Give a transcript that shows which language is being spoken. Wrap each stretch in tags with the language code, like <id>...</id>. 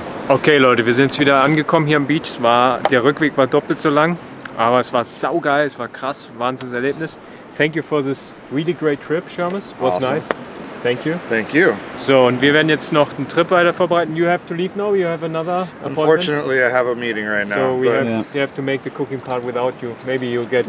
<de>Okay, Leute, wir sind jetzt wieder angekommen hier am Beach. Der Rückweg war doppelt so lang, aber es war saugeil, es war krass, wahnsinniges Erlebnis.</de> <en>Thank you for this really great trip, Seamus. Was nice. Thank you. Thank you.</en> <de>So, und wir werden jetzt noch den Trip weiter vorbereiten.</de> <en>You have to leave now, you have another appointment. Unfortunately, I have a meeting right now. So, we have to make the cooking part without you. Maybe you'll get</en>